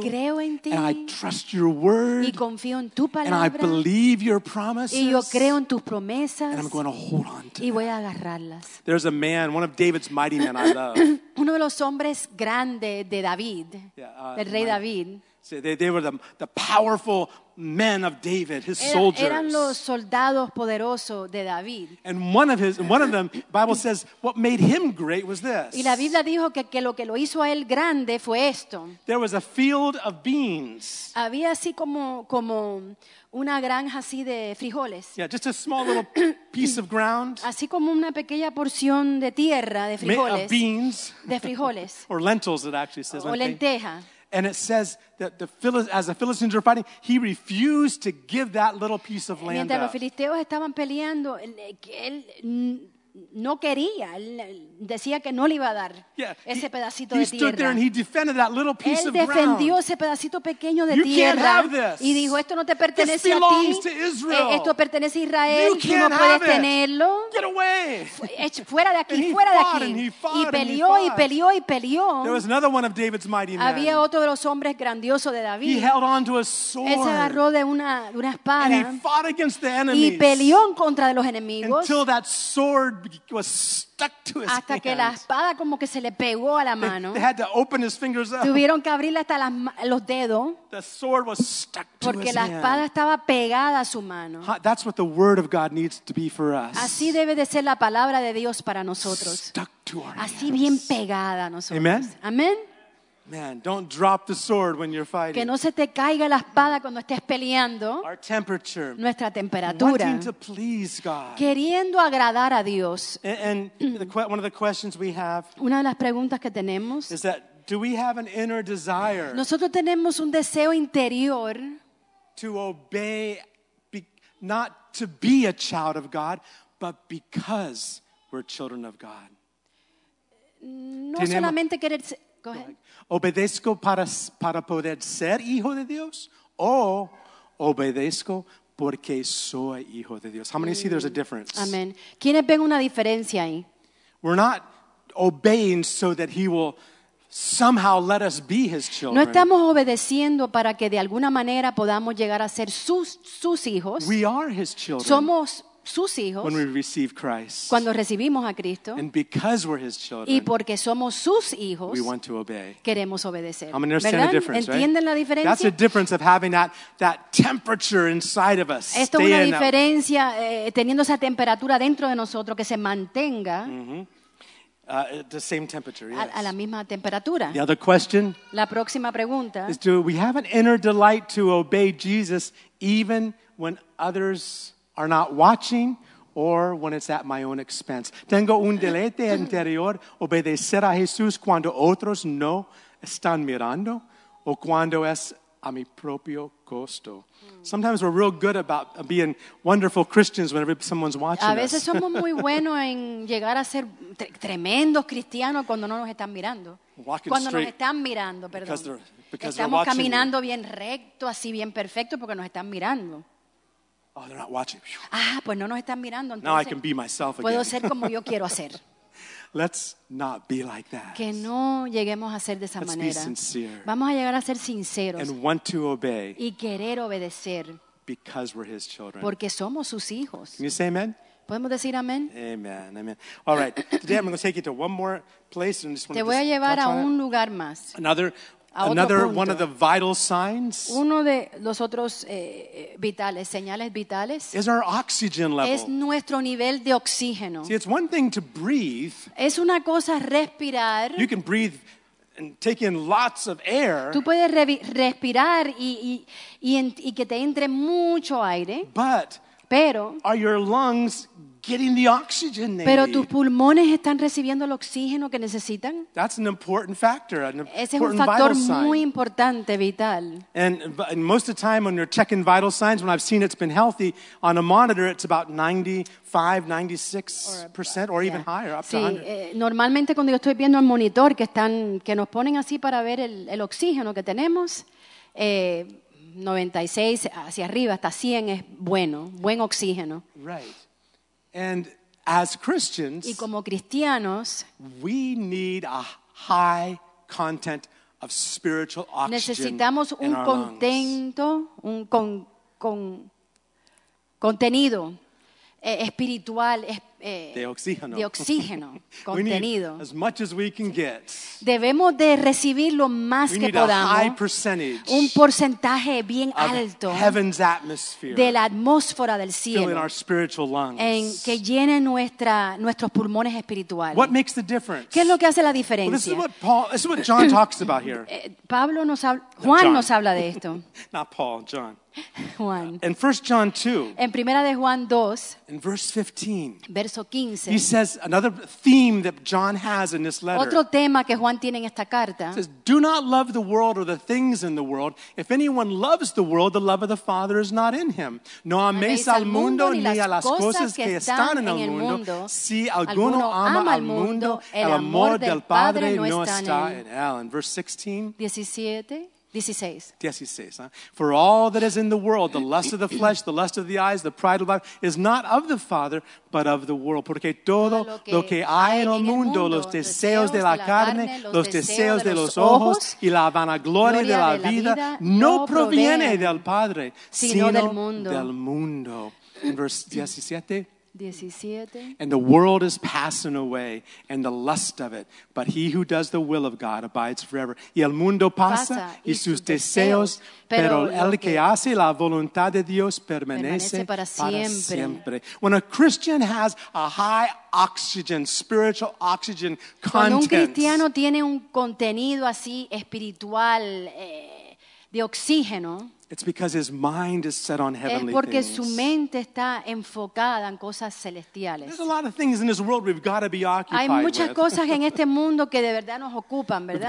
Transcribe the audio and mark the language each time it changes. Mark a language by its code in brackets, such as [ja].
[es] Y creo en ti. [en] And I trust your word. [es] Y confío en tu palabra. [en] And I believe your promises. [es] Y yo creo en tus promesas. [en] And I'm going to hold on to it. There's a man, one of David's mighty men I love. [es] Uno de los hombres grandes de David, el rey David. [en] They were the powerful men of David, his soldiers. [es] Eran los soldados poderosos de David. [en] And one of them, the Bible says, what made him great was this. [es] Y la Biblia dijo que lo que lo hizo a él grande fue esto. [en] There was a field of beans. [es] Había así como una granja así de frijoles. [en] Yeah, just a small little piece of ground. [es] Así como una pequeña porción de tierra de frijoles. [en] Made of beans. [es] De frijoles. [en] Or lentils, it actually says. [es] O lenteja. [en] And it says that as the Philistines were fighting, he refused to give that little piece of land up. [es] Mientras los filisteos estaban peleando, él no quería, él decía que no le iba a dar ese pedacito de tierra. [en] He stood there and he defended that little piece of ground. [es] Él defendió ese pedacito pequeño de tierra. [en] You can't have this. [es] Y dijo, esto no te pertenece a ti. [en] This belongs to Israel. [es] Esto pertenece a Israel. [en] You can't [es] no puedes tenerlo. [en] Get away. [es] Fuera de aquí, fuera de aquí. [en] And he fought and he fought. [es] Y peleó y peleó y peleó. [en] There was another one of David's mighty men. [es] Había otro de los hombres grandiosos de David. [en] He held on to a sword. [es] Él se agarró de una espada. [en] And he fought against the enemies. [es] Y peleó en contra de los enemigos. [en] Until that sword was stuck to his [es] hasta [en] hands. [es] Que la espada como que se le pegó a la mano. [en] They had to open his fingers up. [es] Tuvieron que abrirle hasta los dedos. [en] The sword was stuck to his [es] porque la espada [en] hand. [es] Estaba pegada a su mano. [en] That's what the word of God needs to be for us. [es] Así debe de ser la palabra de Dios para nosotros. [en] Stuck to our [es] así [en] hands. [es] Bien pegada a nosotros. [en] Amen. [es] Amen. [en] Man, don't drop the sword when you're fighting. [es] Que no se te caiga la espada cuando estés peleando. [en] Our temperature. [es] Nuestra temperatura. [en] Wanting to please God. [es] Queriendo agradar a Dios. [en] And one of the questions we have. [es] Una de las preguntas que tenemos. [en] Is that, do we have an inner desire? [es] Nosotros tenemos un deseo interior. [en] To obey, not to be a child of God, but because we're children of God. [es] No solamente querer ser. [en] Go ahead. [es] Obedezco para poder ser hijo de Dios o obedezco porque soy hijo de Dios. [en] How many see there's a difference? [es] Amen. ¿Quiénes ven una diferencia ahí? [en] We're not obeying so that he will somehow let us be his children. [es] No estamos obedeciendo para que de alguna manera podamos llegar a ser sus hijos. [en] We are his children. [es] Somos sus hijos, [en] when we receive Christ, [es] cuando recibimos a Cristo, [en] and because we're his children, [es] y porque somos sus hijos, [en] we want to obey. [es] Queremos obedecer. [en] I'm understanding the difference, [es] ¿entienden [en] right? [es] La diferencia? [en] That's the difference of having that temperature inside of us. [es] Esto es una diferencia teniendo esa temperatura dentro de nosotros que se mantenga. [en] Mm-hmm. The same temperature. Yes. [es] A la misma temperatura. [en] The other question. [es] La próxima pregunta. [en] Is do we have an inner delight to obey Jesus even when others are not watching, or when it's at my own expense? [es] Tengo un deleite interior obedecer a Jesús cuando otros no están mirando, o cuando es a mi propio costo. [en] Sometimes we're real good about being wonderful Christians whenever someone's watching us. [es] A veces somos muy buenos en llegar a ser tremendos cristianos cuando no nos están mirando. Cuando nos están mirando, perdón. Estamos caminando bien recto, así bien perfecto, porque nos están mirando. [en] Oh, they're not watching. [es] Ah, pues no nos están mirando. Entonces, [en] now I can be myself again. [es] Puedo ser como yo quiero ser. [en] Let's not be like that. [es] Que no lleguemos a ser de esa [en] Let's [es] manera. [en] Be sincere. [es] Vamos a llegar a ser sinceros. [en] And want to obey. [es] Y querer obedecer. [en] Because we're His children. [es] Porque somos sus hijos. [en] Can you say amen? [es] ¿Podemos decir amén? [en] Amen, amen. All right. Today I'm going to take you to one more place. And just [es] Te voy a llevar a un lugar más. [en] Another one of the vital signs. [es] Uno de los otros vitales, señales vitales. [en] Is our oxygen level. [es] Es nuestro nivel de oxígeno. [en] See, it's one thing to breathe. [es] Es una cosa respirar. [en] You can breathe and take in lots of air. [es] Tú puedes respirar y que te entre mucho aire. [en] But [es] Pero, [en] are your lungs getting the oxygen they [es] Pero [en] need? [es] Tus pulmones están recibiendo el oxígeno que necesitan. [en] That's an important factor, an important [es] Ese es un factor muy importante, vital. [en] And most of the time when you're checking vital signs, when I've seen it's been healthy, on a monitor it's about 95-96% or even higher, up [es] sí, [en] to 100%. [es] Normalmente cuando yo estoy viendo el monitor que nos ponen así para ver el oxígeno que tenemos, 96 hacia arriba hasta 100 es bueno, buen oxígeno. [en] Right. And as Christians, [es] y como cristianos, [en] we need a high content of spiritual oxygen. [es] Necesitamos un [en] in our [es] contento, [en] lungs. [es] Un con contenido espiritual de oxígeno contenido [en] we need as much as we can get. [es] Debemos de recibir lo más [en] we [es] que [en] need [es] podamos [en] a high percentage [es] un porcentaje bien alto [en] heaven's atmosphere [es] de la atmósfera del cielo [en] filling our spiritual lungs. [es] En que llene nuestros pulmones espirituales. [en] What makes the difference? [es] ¿Qué es lo que hace la diferencia? [en] Well, this is what John talks about here. [es] Pablo nos habla, Juan nos habla de esto. [en] Not Paul, John. [es] Juan. [en] In 1 John 2, [es] en Primera de Juan 2, [en] in verse 15, [es] verso 15, [en] he says another theme that John has in this letter. [es] Otro tema que Juan tiene en esta carta. [en] He says, do not love the world or the things in the world. If anyone loves the world, the love of the Father is not in him. [es] No améis al mundo ni a las cosas que están en el mundo. Si alguno ama al mundo, el amor del Padre no está en él. [en] In verse 16, [es] 16. Huh? [en] For all that is in the world, the lust of the flesh, the lust of the eyes, the pride of life, is not of the Father, but of the world. [es] Porque todo lo que hay en el mundo, los deseos de la carne, los deseos de los ojos, y la vanagloria de la vida, no proviene del Padre, sino del mundo. [en] In verse 17. And the world is passing away, and the lust of it. But he who does the will of God abides forever. [es] Y el mundo pasa, y sus deseos. Pero el que hace la voluntad de Dios permanece para siempre. [en] When a Christian has a high oxygen, spiritual oxygen content. [es] Cuando un cristiano tiene un contenido así espiritual de oxígeno. [en] It's because his mind is set on heavenly [es] es porque [en] things. [es] Su mente está enfocada en cosas celestiales. [en] There's a lot of things in this world we've got to be occupied with. [es] Hay muchas [en] with. [es] Cosas en este mundo que de verdad nos ocupan, ¿verdad?